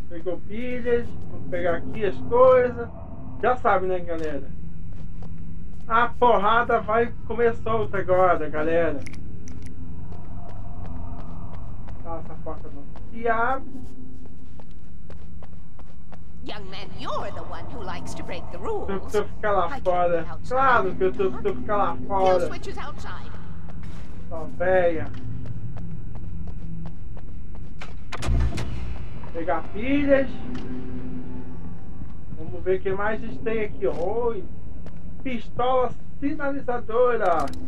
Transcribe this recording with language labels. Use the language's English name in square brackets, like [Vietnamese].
[Portuguese] Pegou pilhas, vou pegar aqui as coisas. Já sabe, né, galera? A porrada vai comer solta agora, galera. Tá, essa porta não se abre. [English] Young man, you're the one who likes to break the rules. [Portuguese] Tu fica lá fora. Claro que eu tô ficando lá fora. Tô velha. Pegar pilhas. Vamos ver o que mais a gente tem aqui. Oi. Pistola sinalizadora.